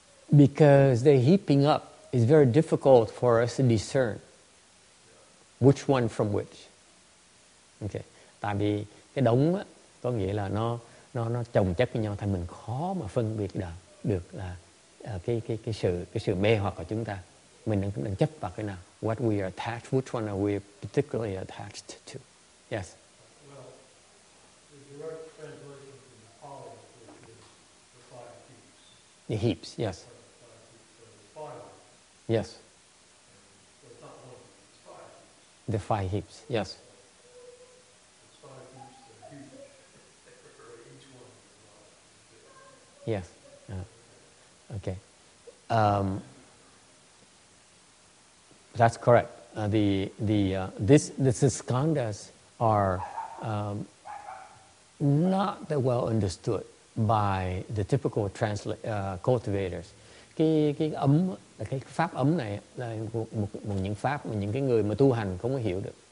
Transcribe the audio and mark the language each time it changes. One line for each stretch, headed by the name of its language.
English: Because the heaping up is very difficult for us to discern which one from which. Okay.
Vietnamese: Tại vì cái đống á, có nghĩa là nó chồng chất với nhau, thành mình khó mà phân biệt được là cái sự mê hoặc của chúng ta. Mình đang chấp vào cái nào.
English: What we are attached, which one are we particularly attached to? Yes. The heaps, yes. Yes. The five heaps. Yes. Yes. Okay. That's correct. The skandhas are not that well understood by the typical cultivators.
Vietnamese: Cái ấm, cái pháp ấm này là một những pháp mà những cái người mà tu hành không có hiểu được.